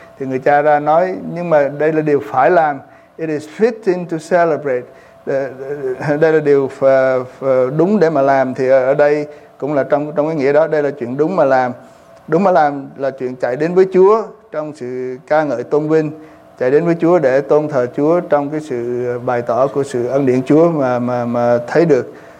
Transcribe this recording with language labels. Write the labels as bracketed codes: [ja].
[vi] Thì người cha ra nói, nhưng mà đây là điều phải làm. [en] It is fitting to celebrate. [vi] Đây là điều đúng để mà làm. Thì ở đây cũng là trong cái nghĩa đó, đây là chuyện đúng mà làm. Đúng mà làm là chuyện chạy đến với Chúa trong sự ca ngợi tôn vinh, chạy đến với Chúa để tôn thờ Chúa trong cái sự bày tỏ của sự ân điển Chúa mà thấy được.